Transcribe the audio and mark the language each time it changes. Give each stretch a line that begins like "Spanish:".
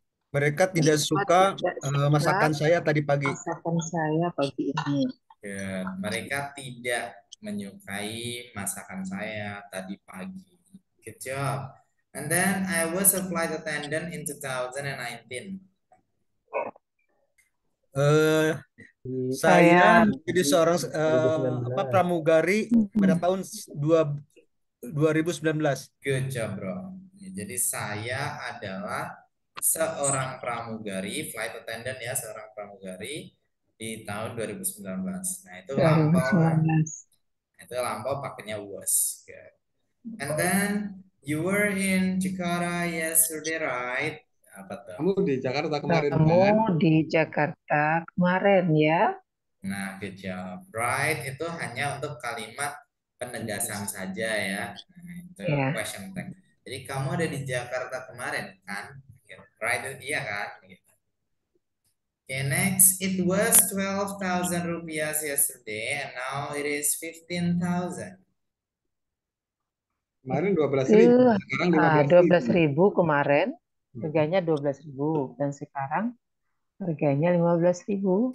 Indonesian: Mereka tidak suka masakan saya tadi pagi. Masakan saya pagi ini.
English: Good.
Indonesian: Mereka tidak menyukai masakan saya tadi pagi.
English: Good job. And then I was a flight attendant in 2019.
Indonesian: Saya jadi seorang pramugari pada tahun 2019.
English: Good job, bro.
Indonesian: Jadi saya adalah seorang pramugari, flight attendant ya, seorang pramugari di tahun 2019. Nah, itu lampau. Itu lampau pakainya was.
English: Good. And then you were in Jakarta yesterday, right?
Indonesian: Apa tuh? Kamu di Jakarta kemarin. Kamu di Jakarta kemarin ya. Nah,
English: good job.
Indonesian: Right itu hanya untuk kalimat penegasan saja ya. Nah, itu
English: yeah. Question tag.
Indonesian: Jadi kamu ada di Jakarta kemarin kan?
English: Right,
Indonesian: iya kan?
English: Okay, next. It was 12,000 rupiah yesterday and now it is 15,000.
Indonesian: Kemarin 12.000, sekarang 15.000. 12.000 kemarin harganya 12.000 dan sekarang harganya 15.000.